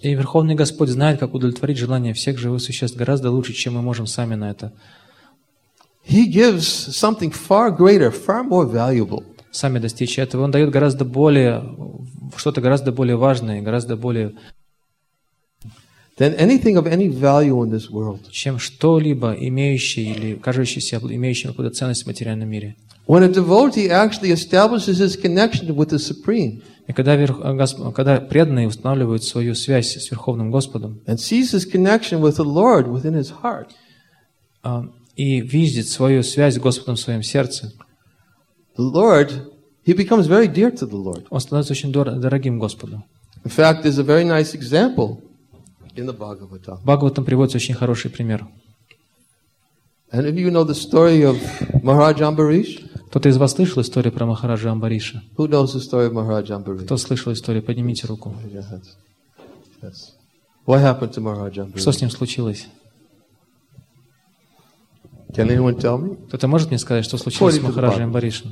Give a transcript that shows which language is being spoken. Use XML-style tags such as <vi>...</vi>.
<ru>И верховный Господь знает, как удовлетворить желания всех живых существ гораздо лучше, чем мы можем сами на это.</ru> <en>He gives something far greater, far more valuable.</en> <ru>Сами достичь этого, он дает гораздо более что-то гораздо более важное, гораздо более</ru> <en>than anything of any value in this world.</en> <ru>Чем что-либо имеющее или кажущееся имеющим какую-то ценность в материальном мире.</ru> <en>When a devotee actually establishes his connection with the Supreme,</en> <ru>и когда преданные устанавливают свою связь с Верховным Господом,</ru> <en>and sees his connection with the Lord within his heart,</en> <ru>и видит свою связь с Господом в своем сердце,</ru> <en>the Lord. He becomes very dear to the Lord.</en> <ru>Он становится очень дорогим Господу.</ru> <en>In fact, there's a very nice example in the Bhagavatam.</en> <ru>В Бхагаватам приводится очень хороший пример.</ru> <en>And if you know the story of Maharaj Ambarish?</en> <ru>Кто-то из вас слышал историю про Махараджа Амбариша?</ru> <en>Who knows the story of Maharaj Ambarish?</en> <ru>Кто слышал историю? Поднимите руку.</ru> <en>Yes. What happened to Maharaj Ambarish?</en> <ru>Что с ним случилось?</ru> <en>Can anyone tell me?</en> <ru>Кто-то может мне сказать, что случилось с Махараджей Амбаришем?</ru>